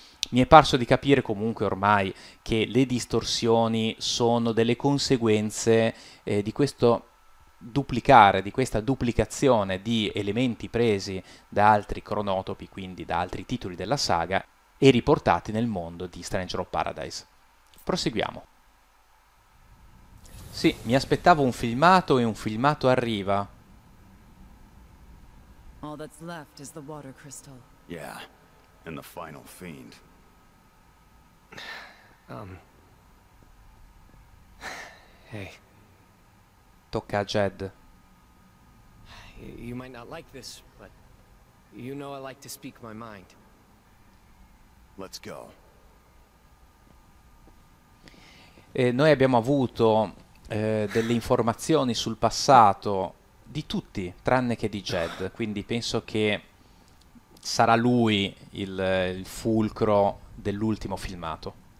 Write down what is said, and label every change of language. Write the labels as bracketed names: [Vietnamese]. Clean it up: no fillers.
[Italian] Mi è parso di capire comunque ormai che le distorsioni sono delle conseguenze di questo duplicare, di questa duplicazione di elementi presi da altri cronotopi, quindi da altri titoli della saga, e riportati nel mondo di Stranger of Paradise. Proseguiamo. Sì, mi aspettavo un filmato e un filmato arriva. [English] All that's left is the water crystal. Yeah, and the final fiend. Hey. [Italian] Tocca a Jed. [English] You might not like this, but you know I like to speak my mind. Let's go. [Italian] Noi abbiamo avuto delle informazioni sul passato di tutti, tranne che di Jed, quindi penso che sarà lui il fulcro dell'ultimo filmato.